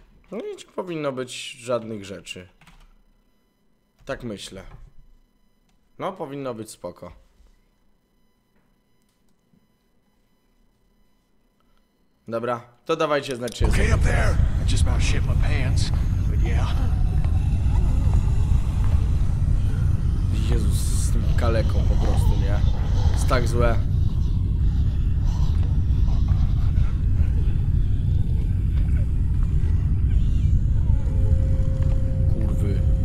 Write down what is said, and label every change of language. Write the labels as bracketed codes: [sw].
[pl] No i nie powinno być żadnych rzeczy. Tak myślę. No, powinno być spoko. Dobra, to dawajcie znać, czy jest. [en] Okay, up there. I just about shit my pants, but yeah. [pl] Jezus, z tym kaleką po prostu, nie? Jest tak złe. Kurwy.